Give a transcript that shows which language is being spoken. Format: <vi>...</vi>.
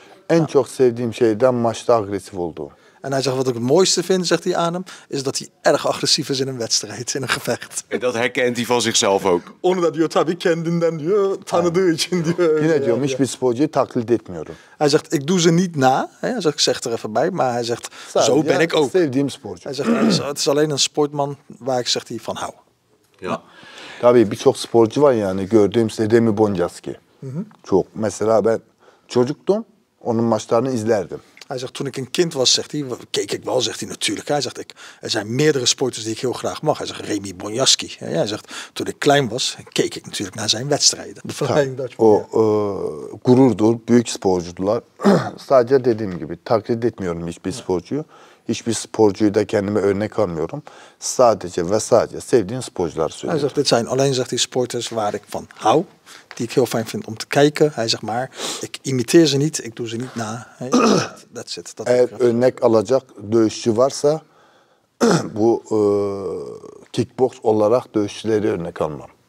<nl>En ja.</nl> <tr>Çok sevdiğim şey de maçta agresif olduğu.</tr> <nl>En hij zegt, wat ik het mooiste vind, zegt hij aan hem, is dat hij erg agressief is in een wedstrijd, in een gevecht. En dat herkent hij van zichzelf ook. Omdat hij</nl> <tr>tabii kendinden diyor, tanıdığı için diyor. Yine diyorum, hiçbir sporcu taklit etmiyorum.</tr> <nl>Hij zegt, ik doe ze niet na. Hij zegt, ik zeg er even bij, maar hij zegt, zo ben ik ook.</nl> <tr>Sevdiğim sporcu.</tr> <nl>Hij zegt, het is alleen een sportman waar ik, zegt hij, van hou. Ja.</nl> <tr>Tabii birçok sporcu var yani, gördüğüm Demi Bonjaski. Çok. Mesela ben çocuktum, onun maçlarını izlerdim.</tr> <nl>Hij zegt, toen ik een kind was, zegt hij, keek ik wel, zegt hij, natuurlijk. Hij zegt, er zijn meerdere sporters die ik heel graag mag. Hij zegt, Remy Bonjasky. Ja, hij zegt, toen ik klein was, keek ik natuurlijk naar zijn wedstrijden. De Flying Dutchman.</nl> <tr>O, gururdur, büyük sporcudular. Sadece dediğim gibi, taklit etmiyorum hiçbir sporcuyu. Hiçbir sporcuyu da kendime örnek almıyorum. Sadece ve sadece sevdiğim sporcular söylüyorum.</tr> <nl>Hij zegt, dit zijn alleen, zegt hij, sporters waar ik van hou. Die ik heel fijn vind om te kijken. Hij zegt maar, ik imiteer ze niet, ik doe ze niet na.</nl> <en>That's it.</en> <tr>Dat eğer örnek alacak dövüşçü varsa, bu kickbox olarak dövüşçüleri örnek almam.</tr>